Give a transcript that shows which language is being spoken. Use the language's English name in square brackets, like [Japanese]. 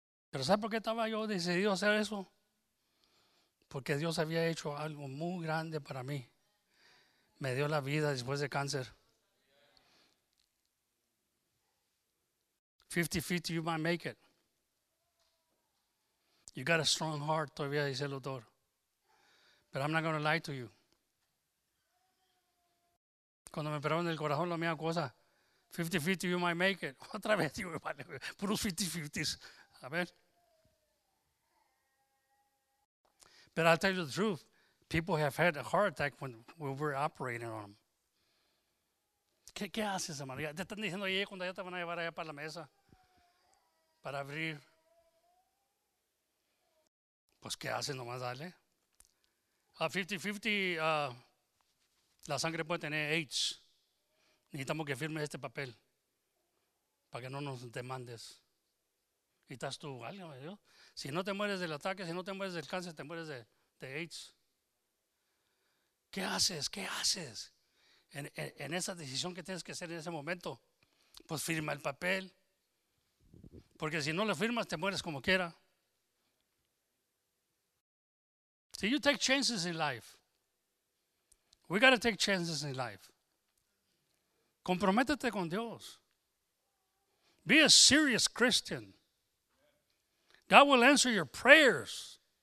[Spanish] Pero ¿sabes por qué estaba yo decidido a hacer eso? Porque Dios había hecho algo muy grande para mí. Me dio la vida después de cáncer. [English] 50-50, you might make it. You got a strong heart, [Spanish] todavía dice el doctor. [English] But I'm not going to lie to you. [Spanish] Cuando me pegaron del corazón la misma cosa, 50-50, [English] you might make it. [Spanish] Otra vez, digo, vale, puros 50-50s. A ver. [English] But I'll tell you the truth. People have had a heart attack when we were operating on them. [Spanish] ¿Qué haces, hermano? Te están diciendo ahí cuando ya te van a llevar allá para la mesa para abrir. Pues, ¿qué haces nomás? Dale. A 50-50, la sangre puede tener AIDS. Necesitamos que firmes este papel para que no nos demandes. Y estás tú, válgame Dios. Si no te mueres del ataque, si no te mueres del cáncer, te mueres de AIDS. ¿Qué haces? ¿Qué haces en esa decisión que tienes que hacer en ese momento? Pues firma el papel. Porque si no lo firmas, te mueres como quiera. [English] So you take chances in life. We got to take chances in life. [Spanish] Comprométete con Dios. [English] Be a serious Christian. God will answer your prayers.